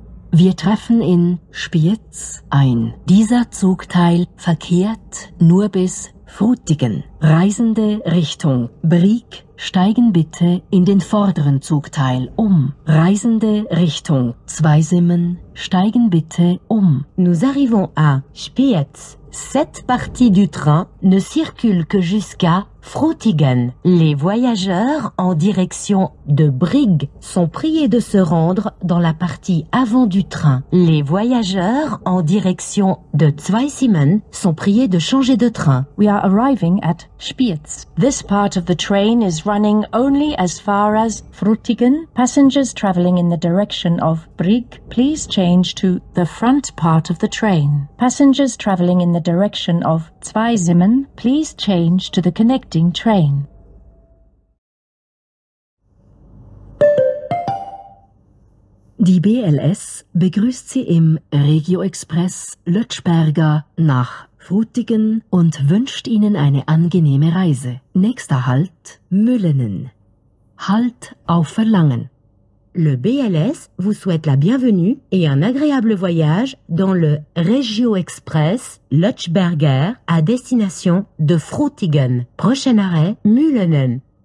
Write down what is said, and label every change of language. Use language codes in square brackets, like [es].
[de] Wir treffen in Spiez ein. Dieser Zugteil verkehrt nur bis Frutigen. Reisende Richtung Brieg steigen bitte in den vorderen Zugteil um. Reisende Richtung Zweisimmen steigen bitte um. [fr] Nous arrivons à Spiez. Cette partie du train ne circule que jusqu'à Frutigen. Les voyageurs en direction de Brieg sont priés de se rendre dans la partie avant du train. Les voyageurs en direction de Zweisimmen sont priés de changer de train. [en] We are arriving at Spiez. This part of the train is running only as far as Frutigen. Passengers traveling in the direction of Brieg, please change to the front part of the train. Passengers traveling in the direction of Zweisimmen, please change to the connecting train. [de] Die BLS begrüßt Sie im Regio-Express Lötschberger nach Frutigen und wünscht Ihnen eine angenehme Reise. Nächster Halt, Müllenen. Halt auf Verlangen. [fr] Le BLS vous souhaite la bienvenue et un agréable voyage dans le Regio-Express Lötschberger à destination de Frutigen. Prochain arrêt, Müllenen.